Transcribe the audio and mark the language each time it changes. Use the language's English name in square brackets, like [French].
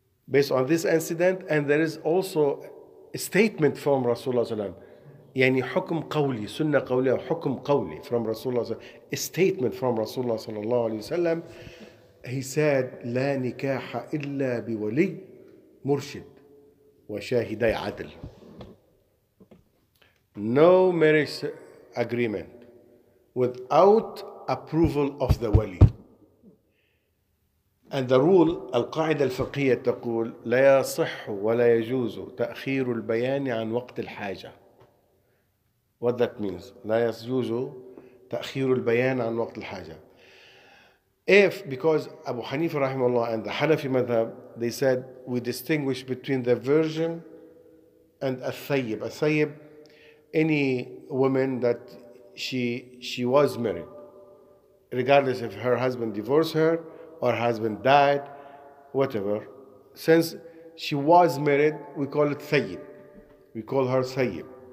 [English] based on this incident, and there is also a statement from Rasulullah sallallahu alayhi wa sallam, [Arabic] حكم قولي, سنة قولي, حكم قولي, [English] from Rasulullah sallallahu alayhi wa sallam, a statement from Rasulullah sallallahu alayhi wa sallam, he said, [Arabic] لا نكاح إلا بولي مرشد وشاهدي عدل. [English] No marriage agreement without approval of the wali. And the rule, [Arabic] القاعدة الفقهية تقول لا يصح ولا يجوز تأخير البيان عن وقت الحاجة. [English] What that means? [Arabic] لا يجوز تأخير البيان عن وقت الحاجة. [English] If, because Abu Hanifa rahimahullah and the Hanafi madhab, they said we distinguish between the virgin and [Arabic] الثيب. الثيب, [English] any woman that she was married, regardless if her husband divorced her or husband died, whatever, since she was married, we call it thayyib. We call her thayyib.